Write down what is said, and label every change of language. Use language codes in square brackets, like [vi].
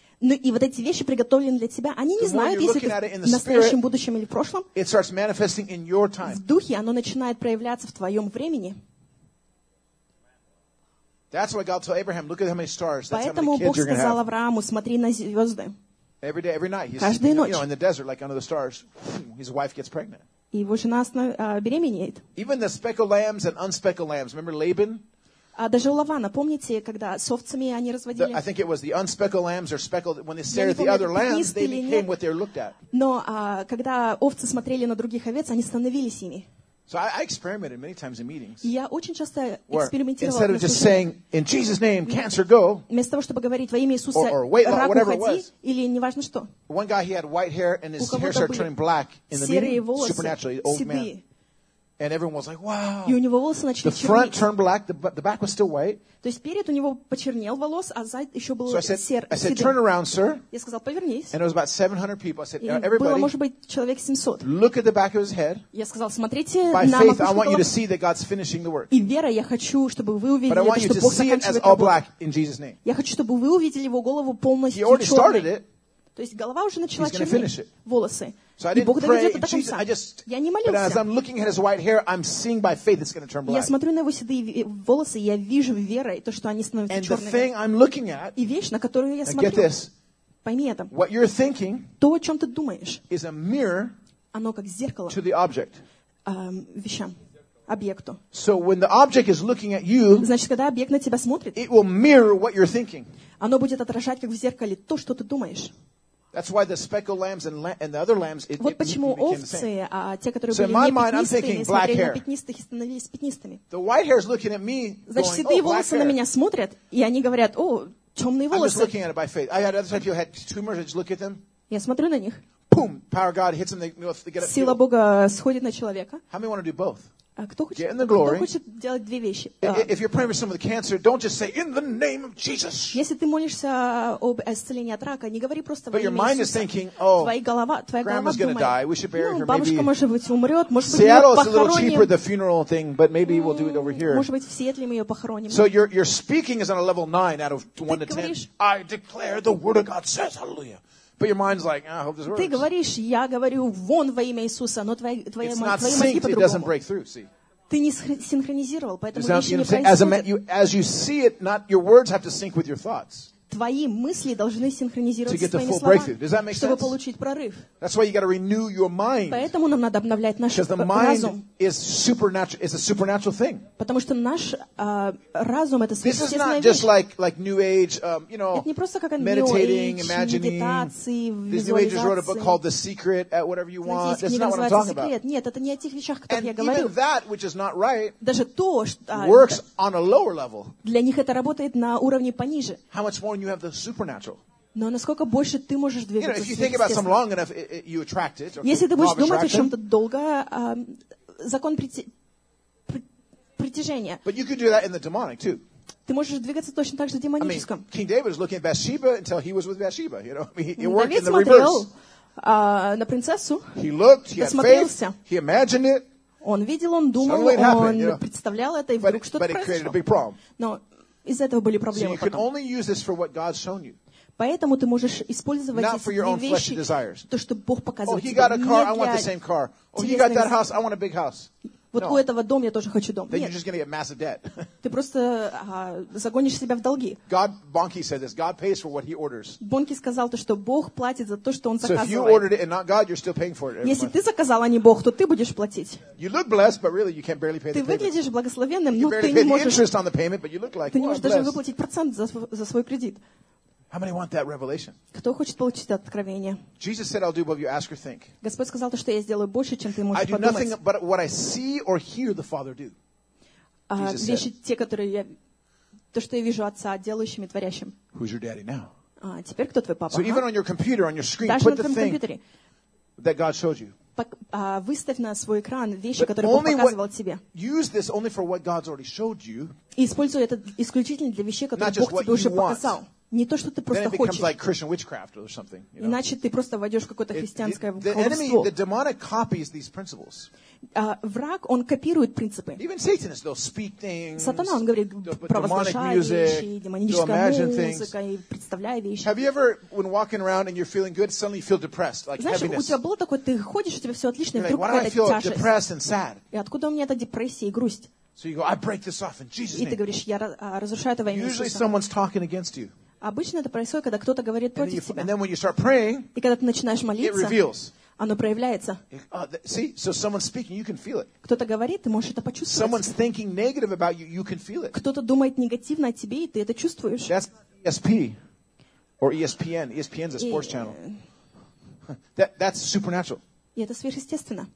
[ru] Ну и вот эти вещи приготовлены для тебя. Они не знают, если ты в настоящем, будущем или в прошлом. В духе оно начинает проявляться в твоем времени. Поэтому Бог сказал Аврааму, смотри на звезды. [en] Every day, every night, he's, [ru] каждую ночь. [en] You know, in the desert, like under the stars, his wife gets pregnant. [ru] Его жена беременеет. [en] Even the speckled lambs and unspeckled lambs. Remember Laban? [ru] Даже у Лавана, помните, когда с овцами они разводили? [en] I think it was the unspeckled lambs or speckled when they stared at the other lambs, they became what they looked at. [ru] Но когда овцы смотрели на других овец, они становились ими. [en] So I experimented many times in meetings. [ru] Я очень часто экспериментировал. [en] Instead of just saying in Jesus' name, cancer go. [ru] Вместо того, чтобы говорить во имя Иисуса, рак уходи, или неважно что. [en] One guy, he had white hair and his hair started turning black in the meeting. Supernaturally, old man. And everyone was like, "Wow!" [ru] И у него волосы начали чернеть. [en] The front turned black, the back was still white. [ru] То есть перед у него почернел волос, а зад еще был серый. [en] So I said, "Turn around, sir." [ru] Я сказал, повернись. [en] And it was about 700 people. I said, "Everybody." [ru] Было, может быть, человек 700. [en] Look at the back of his head. [ru] Я сказал, смотрите на макушку головы. [en] By faith, I want you to see that God's finishing the work. [ru] И верой я хочу, чтобы вы увидели, что Бог заканчивает работу. [en] But I want you to see it as all black in Jesus' name. [ru] Я хочу, чтобы вы увидели его голову полностью черной. [en] He already started it. [ru] То есть голова уже начала чернеть. [en] He's gonna finish it. [ru] Волосы. [en] So I didn't pray, Jesus, I just, [ru] я не молился. [en] But as I'm looking at his white hair, I'm seeing by faith it's going to turn black. [ru] Я смотрю на его седые волосы, и я вижу верой то, что они становятся [en] and [ru] черными. [en] The thing I'm looking at, [ru] и вещь, на которую я смотрю, [en] get this, [ru] пойми это. [en] What you're thinking, [ru] то, о чем ты думаешь, [en] is a mirror, [ru] оно как зеркало, [en] to the object. [ru] Вещам, объекту. [en] So when the object is looking at you, [ru] значит, когда объект на тебя смотрит, [en] it will mirror what you're thinking. [ru] Оно будет отражать, как в зеркале, то, что ты думаешь. [en] That's why the speckled lambs and the other lambs it, [ru] вот почему [en] it became [ru] овцы, [en] the same. [ru] А те, которые [en] so [ru] были [en] in my mind, I'm thinking black hair. [ru] Пятнистых и становились пятнистыми. [en] The white hair is looking at me. [ru] Значит, [en] going, [ru] седые [en] oh, [ru] волосы на меня смотрят, и они говорят: "О, темные волосы." [en] I'm just looking at it by faith. I had other people had tumors. I just look at them. [ru] Я смотрю на них. [en] Boom! Power of God hits them. They get up. [ru] Сила Бога сходит на человека. [en] How many want to do both? [ru] Кто хочет, делать две вещи? [en] If you're praying for someone with cancer, don't just say in the name of Jesus. [ru] Если ты молишься об исцелении от рака, не говори просто. [en] But your mind is thinking, oh, grandma's gonna die. We should bury her. [ru] Бабушка может быть умрет, может быть ее похороним. [en] Seattle is a little cheaper the funeral thing, but maybe we'll do it over here. [ru] Может быть в Сиэтле мы ее похороним. [en] So your speaking is on a level 9 out of 1 to 10. I declare the word of God says, hallelujah. But your mind's like, oh, I hope this works. [ru] Ты говоришь, я говорю, вон во имя Иисуса, но твои мозги по-другому. [en] It's not synced, it doesn't break through, see. [ru] Ты не синхронизировал, поэтому вещи не происходят. [en] As you see it, not your words have to sync with your thoughts. [ru] Твои мысли должны синхронизироваться с твоими словами, [en] does that make [ru] чтобы [en] sense? [ru] Получить прорыв. [en] That's why you got to renew your mind. [ru] Поэтому нам надо обновлять наш разум. [en] Because the mind is supernatural, it's a supernatural thing. [ru] Потому что наш разум это сверхъестественная вещь. [en] This is not just like New Age, you know, [ru] это не просто как [en] meditating, imagining. This New Age wrote a book called The Secret, at whatever you want. That's not what I'm talking about. [ru] Нет, это не о тех вещах, о которых я говорю. [en] And even that, which is not right, [ru] даже то, что [en] works on a lower level. [ru] Для них это работает на уровне пониже. [en] How much more you have the supernatural. [ru] Но насколько больше ты можешь двигаться? [en] You know, if you think about something long enough, it, you attract it. [ru] Если ты будешь думать о чем-то долго, закон притяжения. [en] But you could do that in the demonic too. [ru] Ты можешь двигаться точно так же в демоническом. [en] I mean, King David was looking at Bathsheba until he was with Bathsheba. You know, I mean, it worked David in the reverse. [ru] Смотрел, на принцессу. [en] He looked, he had faith, he imagined it. [ru] Он видел, он думал, [en] happened, you know? [ru] Представлял это, и вдруг что-то произошло. [en] But it created a big problem. [ru] Но из-за этого были проблемы потом. [en] So you can only use this for what God's shown you. [ru] Поэтому ты можешь использовать [en] not for your own fleshly desires. [ru] То, что Бог показывает тебе. [en] Oh, he got a car, I want the same car. Oh, he got that house, I want a big house. [ru] Вот у этого дом я тоже хочу дом. [en] Then you're just going to get massive debt. [ru] Ты просто загонишь себя в долги. [en] God, Bonnke said this, God pays for what he orders. [ru] Бонки сказал то, что Бог платит за то, что он заказывает. [en] So if you ordered it and not God, you're still paying for it. [ru] Если ты заказал, а не Бог, то ты будешь платить. [en] You look blessed, but really you can't barely pay the payment. [ru] Ты выглядишь благословенным, но ты не можешь. [en] Interest on the payment, but you look like, [ru] ты не можешь даже выплатить процент за свой кредит. [en] How many want that revelation? [ru] Кто хочет получить это откровение? [en] Jesus said, "I'll do above you ask or think." [ru] Господь сказал то, что я сделаю больше, чем ты можешь подумать. [en] I do nothing but what I see or hear the Father do. [ru] Вещи те, которые я, то, что я вижу Отца делающим и творящим. [en] Who's your daddy now? [ru] Теперь кто твой папа? [en] So even on your computer, on your screen, put the thing that God showed you. [ru] Выставь на свой экран вещи, которые Бог показывал тебе. [en] Use this only for what God's already showed you. [ru] Используй это исключительно для вещей, которые Бог тебе уже показал. Не то, что ты просто хочешь. [en] Like Christian witchcraft or something, you know? [ru] Иначе ты просто войдешь в какое-то христианское [en] the [ru] колдовство. [en] Enemy, the demonic copies these principles. [ru] Враг, он копирует принципы. [en] Even Satanists, they'll speak things, [ru] Сатана, он говорит, провозглашая вещи, демоническая музыка, и представляя вещи. [en] Have you ever, when walking around and you're feeling good, suddenly you feel depressed, like [ru] знаешь, [en] heaviness? [ru] У тебя было такое, ты ходишь, у тебя все отлично, [en] like, [ru] и вдруг какая-то тяжесть. [en] Depressed and sad? [ru] И откуда у меня эта депрессия и грусть? [en] So you go, I break this off in Jesus' name. [ru] И ты говоришь, я разрушаю это во имя [en] Usually [ru] Иисуса. [en] Someone's talking against you. [ru] Обычно это происходит, когда кто-то говорит против тебя. [en] And then when you start praying, [ru] и когда ты начинаешь молиться, [en] it reveals. [ru] оно проявляется. [en] So someone's speaking, you can feel it. [ru] Кто-то говорит, ты можешь это почувствовать. [en] Someone's thinking negative about you, you can feel it. [ru] Кто-то думает негативно о тебе, и ты это чувствуешь. [en] That's ESP or ESPN. ESPN's a sports channel. That's supernatural. [ru] И это сверхъестественно.